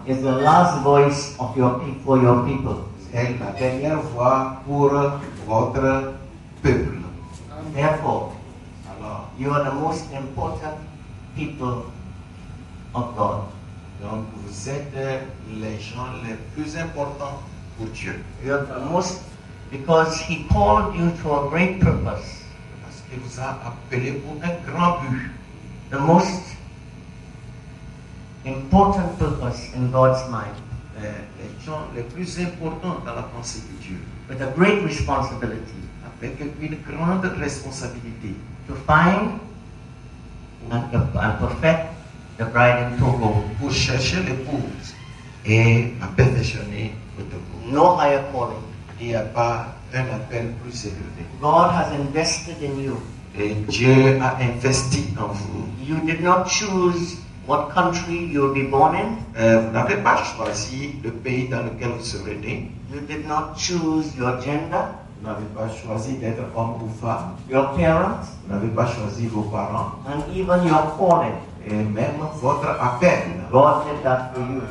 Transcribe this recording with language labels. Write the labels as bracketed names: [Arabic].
[English] is the last voice of your for your people. [French] C'est la dernière voix pour votre peuple. [English] Therefore, [French] alors, [English] you are the most important people of God. [French] Donc vous êtes les gens les plus importants pour Dieu. [English] You are the most because He called you to a great purpose. [French] Parce qu'il vous a appelé pour un grand but. [English] The most important purpose in God's mind. [French] Les gens les plus importants dans la pensée de Dieu. [English] With a great responsibility. [French] Avec une grande responsabilité. [English] To find and perfect the bride in Togo. [French] Pour chercher l'épouse et la perfectionner au Togo. [English] No higher calling. [French] Il n'y a pas un appel plus élevé. [English] God has invested in you. [French] Et Dieu a investi en vous. [English] You did not choose what country you will be born in. [French] Vous n'avez pas choisi le pays dans lequel vous serez né. [English] You did not choose your gender. [French] Vous n'avez pas choisi d'être homme ou femme. [English] Your parents. [French] Vous n'avez pas choisi vos parents. [English] And even your calling. [French] Et même votre appel. [English] God did that for you.